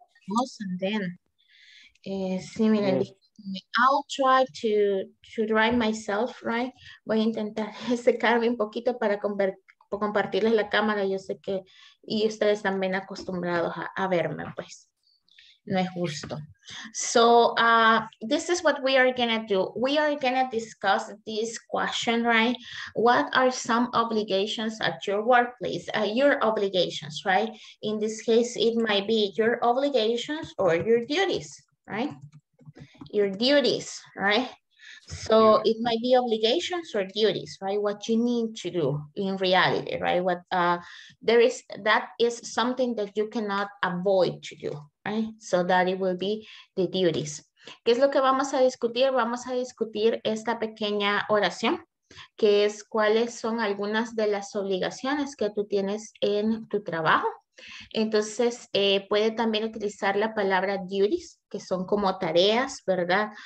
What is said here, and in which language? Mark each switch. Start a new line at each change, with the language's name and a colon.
English: Awesome, then.
Spanish: Sí, miren,
English: I'll try to drive myself, right?
Spanish: Voy a intentar secarme un poquito para convertir compartirles la cámara, yo sé que y ustedes están bien acostumbrados a verme, pues no es justo.
English: So, this is what we are gonna do. We are gonna discuss this question, right? What are some obligations at your workplace? Your obligations, right? In this case, it might be your obligations or your duties, right? Your duties, right? So it might be obligations or duties, right? What you need to do in reality, right? What there is, that is something that you cannot avoid to do, right? So that it will be the duties.
Spanish: ¿Qué es lo que vamos a discutir? Vamos a discutir esta pequeña oración, que es cuáles son algunas de las obligaciones que tú tienes en tu trabajo. Entonces, puede también utilizar la palabra duties, que son como tareas, ¿verdad?